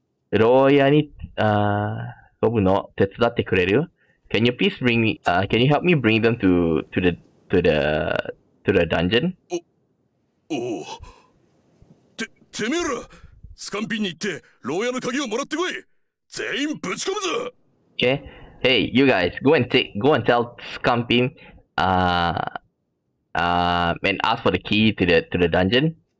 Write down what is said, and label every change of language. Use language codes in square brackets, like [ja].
[ja] 牢屋に、飛ぶの手伝ってくれる？ [en] Can you please bring me, can you help me bring them to the dungeon? おお。 [ja] てめえら、スカンピンに行って、牢屋の鍵をもらってこい。全員ぶち込むぞ。 [en] Okay. Hey, you guys, go and tell Scumping, and ask for the key to the dungeon.